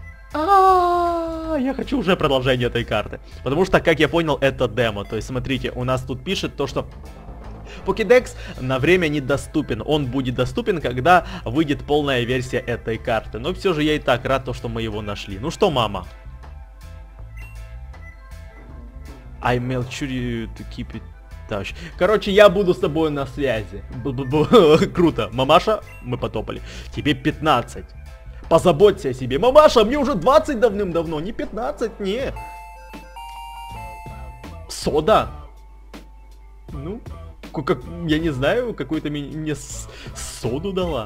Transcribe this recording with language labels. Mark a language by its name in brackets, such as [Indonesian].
[Russian] Я хочу уже продолжение этой карты. Потому что, как я понял, это демо. То есть, смотрите, у нас тут пишет то, что Покедекс на время недоступен. Он будет доступен, когда выйдет полная версия этой карты. Но все же я и так рад, то, что мы его нашли. Ну что, мама? [English] I make sure you to keep it touch. [Russian] Короче, я буду с тобой на связи. Круто. Мамаша, мы потопали. Тебе 15. Позаботься о себе. Мамаша, мне уже 20 давным-давно. Не 15, не. Сода? Ну... Как, я не знаю, какую-то мне соду дала.